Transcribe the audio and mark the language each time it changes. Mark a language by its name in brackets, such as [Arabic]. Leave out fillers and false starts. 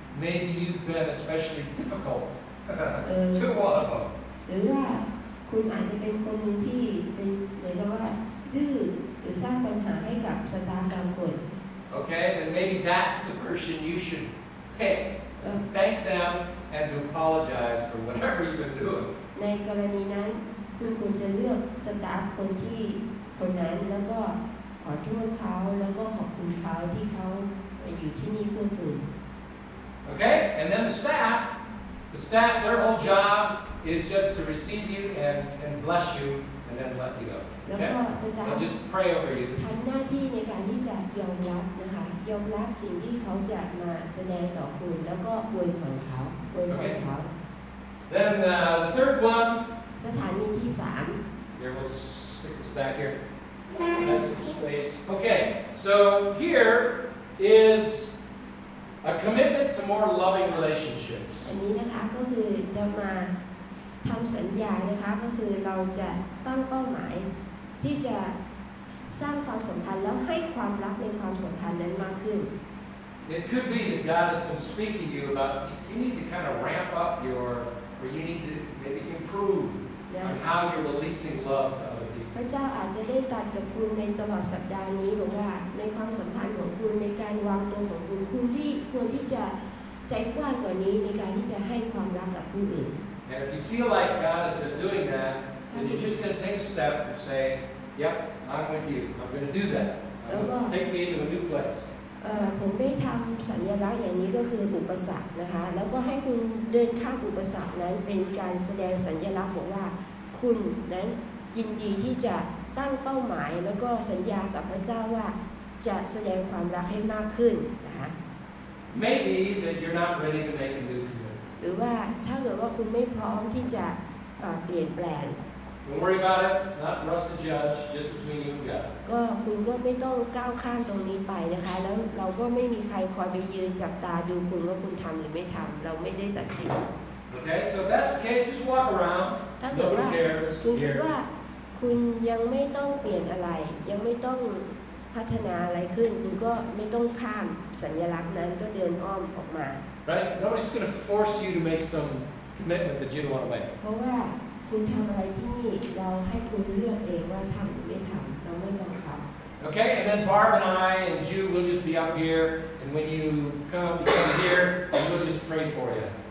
[English] Maybe you've been especially difficult to one of them. Okay, then maybe that's the person you should pick. Thank them and to apologize for whatever you've been doing. [Thai] คุณควรจะเลือกสตาฟคนที่คนนั้นแล้วก็ขอโทษเขาแล้วก็ขอบคุณเขาที่เขาอยู่ที่นี่เพื่อคุณ [English] Okay, and then the staff, their whole job is just to receive you and bless you and then let you go. Okay? They'll just pray over you. [Thai] ทำหน้าที่ในการที่จะยอมรับนะคะยอมรับสิ่งที่เขาจะมาแสดงต่อคุณแล้วก็อวยพรเขาอวยพรเขา [English] Then the third one. [Thai] สถานีที่สาม [English] Here, we'll stick this back here. Nice space. Okay, so here is a commitment to more loving relationships. [Thai] อันนี้นะคะก็คือจะมาทำสัญญานะคะก็คือเราจะตั้งเป้าหมายที่จะสร้างความสัมพันธ์แล้วให้ความรักในความสัมพันธ์นั้นมากขึ้น [English] It could be that God has been speaking to you about you need to kind of ramp up your or you need to maybe improve on how you're releasing love to other people. [Thai] พระเจ้าอาจจะได้ตรัสกับคุณในตลอดสัปดาห์นี้หรือว่าในความสัมพันธ์ของคุณในการวางตัวของคุณควรที่จะใจกว้างกว่านี้ในการที่จะให้ความรักกับผู้อื่น [English] And if you feel like God has been doing that, then you're just going to take a step and say, "Yep, I'm with you. I'm going to do that. Take me into a new place." [Thai] ผมไม่ทำสัญลักษณ์อย่างนี้ก็คืออุปสรรคนะคะแล้วก็ให้คุณเดินข้ามอุปสรรคนั้นเป็นการแสดงสัญลักษณ์บอกว่าคุณนั้นยินดีที่จะตั้งเป้าหมายแล้วก็สัญญากับพระเจ้าว่าจะแสดงความรักให้มากขึ้นนะคะ [English] Maybe that you're not ready to make a new commitment [Thai] หรือว่าถ้าเกิดว่าคุณไม่พร้อมที่จะเปลี่ยนแปลง [English] Don't worry about it. It's not for us to judge. Just between you and God. [Thai] ก็คุณก็ไม่ต้องก้าวข้ามตรงนี้ไปนะคะแล้วเราก็ไม่มีใครคอยไปยืนจับตาดูคุณว่าคุณทำหรือไม่ทำเราไม่ได้ตัดสิน [English] Okay, so if that's the case, just walk around. Nobody cares. [Thai] คุณคิดว่าคุณยังไม่ต้องเปลี่ยนอะไรยังไม่ต้องพัฒนาอะไรขึ้นคุณก็ไม่ต้องข้ามสัญลักษณ์นั้นก็เดินอ้อมออกมา [English] Right? Nobody's going to force you to make some commitment that you don't want to make. [Thai] เพราะว่าคุณทำอะไรที่นี่เราให้คุณเลือกเองว่าทำหรือไม่ทำเราไม่ต้องทำ [English] Okay, and then Barb and I and Jude will just be up here, and when you come here, we'll just pray for you.